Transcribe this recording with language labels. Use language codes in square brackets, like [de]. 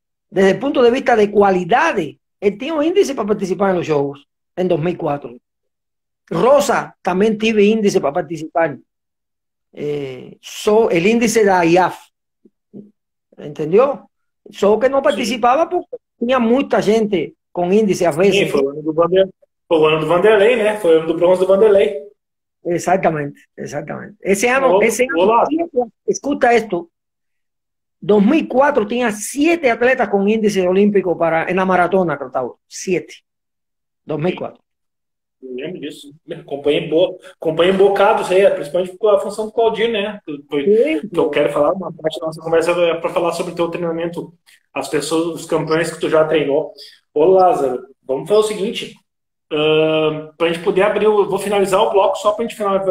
[es] Desde el punto de vista de cualidades, él tenía un índice para participar en los Juegos en 2004. Rosa también tiene índice para participar. El índice de IAAF. ¿Entendió? Solo que no Sí. participaba porque tenía mucha gente con índice a [pt] Sim, [es] veces. [pt] foi o ano do Vanderlei. Foi o ano do Vanderlei, né? Foi o ano do bronze do Vanderlei. [es] Exactamente, exactamente. Ese año, [pt] Oh, olá. [es] escuta esto, 2004 tenía 7 atletas con índice olímpico para en la maratona, Cartago. 7. 2004. [pt] Lembro disso. Acompanhei um bocado isso aí, principalmente com a função do Claudinho, né? Que eu quero falar uma parte da nossa conversa é para falar sobre o teu treinamento, as pessoas, os campeões que tu já treinou. Ô, Lázaro, vamos fazer o seguinte: para a gente poder abrir, eu vou finalizar o bloco só para a gente finalizar.